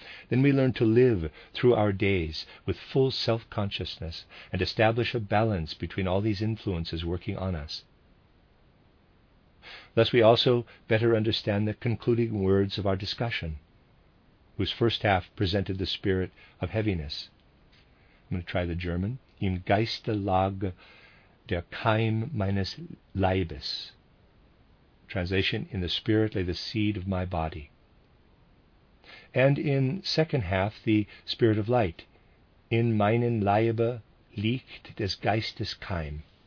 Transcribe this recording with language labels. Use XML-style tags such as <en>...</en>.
<en>Then we learn to live through our days with full self-consciousness and establish a balance between all these influences working on us. Thus we also better understand the concluding words of our discussion, whose first half presented the spirit of heaviness. I'm going to try the German.</en> <de>Im Geiste lag der Keim meines Leibes.</de> <en>Translation, in the spirit lay the seed of my body. And in second half, the spirit of light.</en> <de>In meinen Leibe liegt des Geistes Keim.</de>